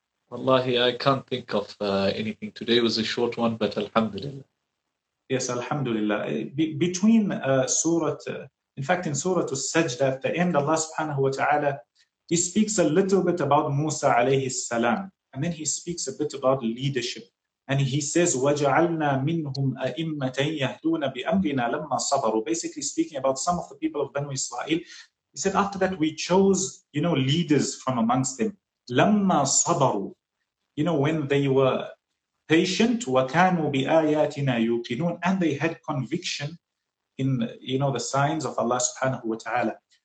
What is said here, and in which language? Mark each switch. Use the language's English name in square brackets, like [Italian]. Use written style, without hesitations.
[English] Wallahi, I can't think of anything. Today was a short one, but alhamdulillah. Yes, alhamdulillah. Between in Surah Al-Sajdah, at the end, Allah subhanahu wa ta'ala, he speaks a little bit about Musa alayhi salam, and then he speaks a bit about leadership. And he says, [Arabic] وَجَعَلْنَا مِنْهُمْ أَئِمَّةً يَهْدُونَ بِأَمْرِنَا لَمَّا صَبَرُوا. [English] Basically speaking about some of the people of Banu Israel. He said, after that, we chose, you know, leaders from amongst them. [Arabic] لَمَّا صَبَرُوا. [English] You know, when they were patient, [Arabic] وَكَانُوا بِآيَاتِنَا يُوقِنُونَ. [English] And they had conviction in, you know, the signs of Allah subhanahu wa ta'ala.